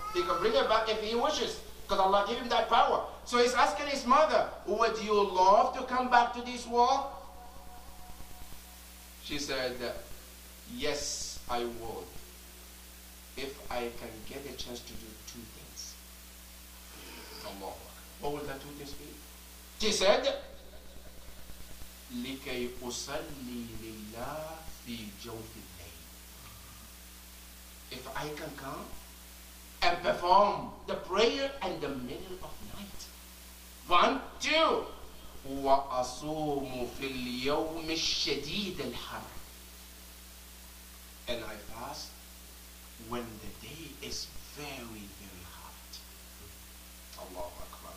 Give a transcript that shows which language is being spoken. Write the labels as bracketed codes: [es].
[en] He can bring it back if he wishes. Because Allah gave him that power. So he's asking his mother, would you love to come back to this world? She said, yes, I would. If I can get a chance to do two things. Allah. What would that two things be? She said, [ar] لِكَيْ أُصَلِّي لِلَّهِ فِي جَوْفِ اللَّيْلِ. [en] If I can come and perform the prayer in the middle of night. One, two. [ar] وَأَصُومُ فِي الْيَوْمِ الشَّدِيدِ الْحَرِ. [en] And I fast when the day is very, very hot. Allahu Akbar.